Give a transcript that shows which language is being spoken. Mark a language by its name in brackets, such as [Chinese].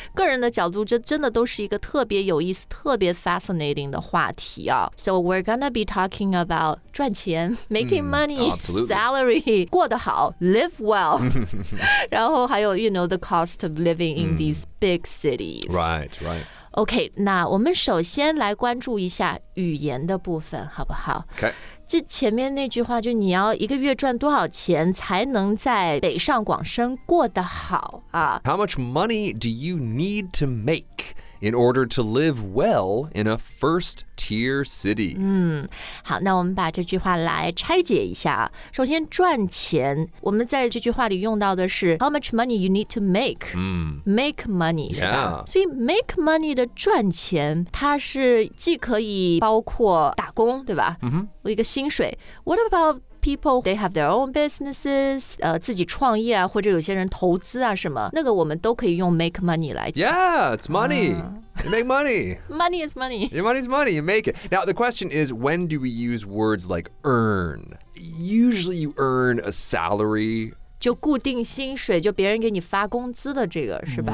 [Chinese] 个人的角度，这真的都是一个特别有意思，特别fascinating 的话题啊。 [English] So we're gonna be talking about [Chinese] 赚钱 [English] making money, salary, [Chinese] 过得好 [English] live well, [Chinese] 然后还有 [English] you know, the cost of living in these big cities. Right. [Chinese] OK, 那我们首先来关注一下语言的部分好不好 OK。这前面那句话就你要一个月赚多少钱才能在北上广深过得好啊。 [English] How much money do you need to make? In order to live well in a first-tier city. [Chinese] 好，那我们把这句话来拆解一下。首先，赚钱，我们在这句话里用到的是 [English] how much money you need to make. Make money, [Chinese] 是吧？ [English] Yeah. [Chinese] 所以 make money 的赚钱，它是既可以包括打工，对吧？一个薪水。 [English] What about people, they have their own businesses, [Chinese] 自己创业啊，或者有些人投资啊什么，那个我们都可以用 make money 来讲。 [English] Yeah, it's money. You make money. Money is money. Your money is money. You make it. Now, the question is, when do we use words like earn? Usually you earn a salary. [Chinese] 就固定薪水，就别人给你发工资的这个，是吧？